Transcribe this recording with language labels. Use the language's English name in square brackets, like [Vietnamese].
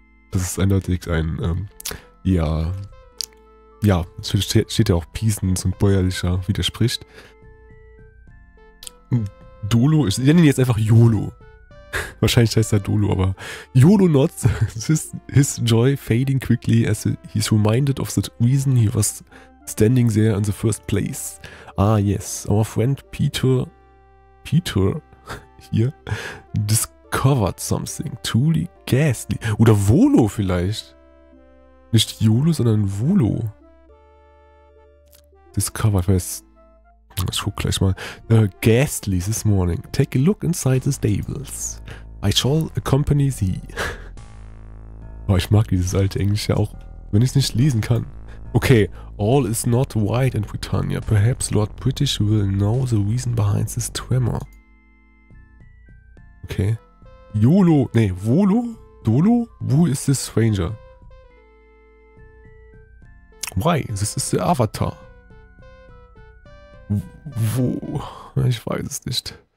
[German] Das ist eindeutig ein, ja, steht ja auch peasant und bäuerlicher, widerspricht. Dolo, ich nenne ihn jetzt einfach Yolo. Wahrscheinlich heißt er Dolo, aber [English] Yolo nods, his joy fading quickly as he is reminded of the reason he was standing there in the first place. Ah yes, our friend Peter here discovered something truly ghastly. [German] Oder Volo vielleicht. Nicht Yolo, sondern Volo. Discovered, weiß. Ich guck gleich mal. [English] Ghastly this morning. Take a look inside the stables. I shall accompany thee. [German] Oh, ich mag dieses alte Englische auch, wenn ich es nicht lesen kann. [English] Okay, all is not white in Britannia. Perhaps Lord British will know the reason behind this tremor. [German] Okay. Yolo, nee, Volo? Dolo? [English] Who is this stranger? Why? This is the Avatar. [German] Wo? Ich weiß es nicht.